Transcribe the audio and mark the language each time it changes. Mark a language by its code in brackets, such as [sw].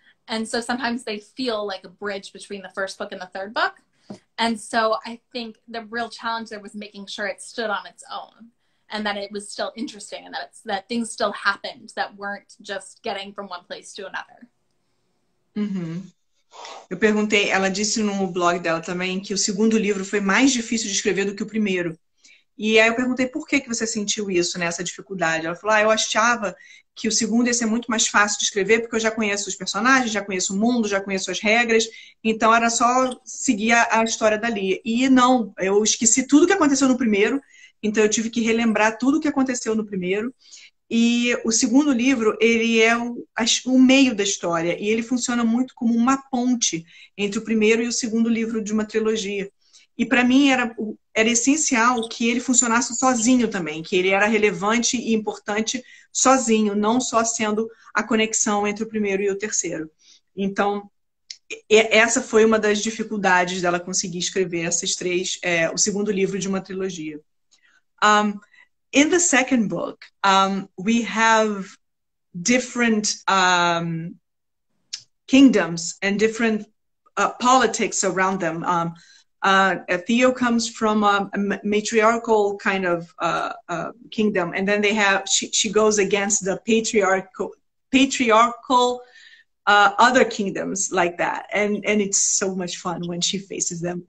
[en] And so sometimes they feel like a bridge between the first book and the third book. And so I think the real challenge there was making sure it stood on its own and that it was still interesting and that it's, that things still happened that weren't just getting from one place to another. Uhum. [pt] Eu perguntei, ela disse no blog dela também que o segundo livro foi mais difícil de escrever do que o primeiro. E aí eu perguntei por que que você sentiu isso, né, essa dificuldade. Ela falou, ah, eu achava que o segundo ia ser muito mais fácil de escrever porque eu já conheço os personagens, já conheço o mundo, já conheço as regras. Então era só seguir a história dali. E não, eu esqueci tudo que aconteceu no primeiro. Então eu tive que relembrar tudo que aconteceu no primeiro. E o segundo livro, ele é o meio da história. E ele funciona muito como uma ponte entre o primeiro e o segundo livro de uma trilogia. E para mim era essencial que ele funcionasse sozinho também, que ele era relevante e importante sozinho, não só sendo a conexão entre o primeiro e o terceiro. Então, essa foi uma das dificuldades dela conseguir escrever esses três, o segundo livro de uma trilogia. [en] In the second book, we have different kingdoms and different politics around them. Theo comes from a matriarchal kind of kingdom, and then she goes against the patriarchal other kingdoms like that, and it's so much fun when she faces them.